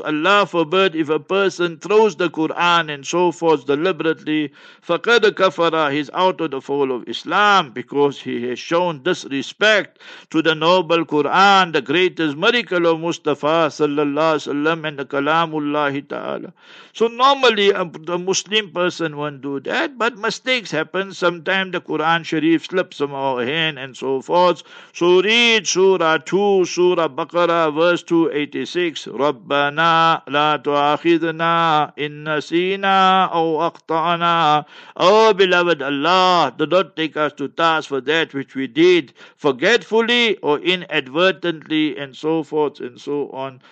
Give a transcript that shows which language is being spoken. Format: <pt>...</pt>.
<en>Allah forbid if a person throws the Quran and so forth deliberately,</en> <ar>فَقَدْ كَفَرَ,</ar> <en>he's out of the fold of Islam because he has shown disrespect to the noble Quran, the greatest miracle of Mustafa sallallahu alaihi wasallam and the kalamullahi ta'ala. So normally a Muslim person won't do that, but mistakes happen. Sometimes the Quran Sharif slips from our hand and so forth. So read Surah 2, Surah Baqarah, verse 28.</en> <ar>ربنا لا تؤاخذنا إن نسينا أو أخطأنا.</ar> <en>Oh beloved Allah, do not take us to task for that which we did forgetfully or inadvertently and so forth and so on.</en>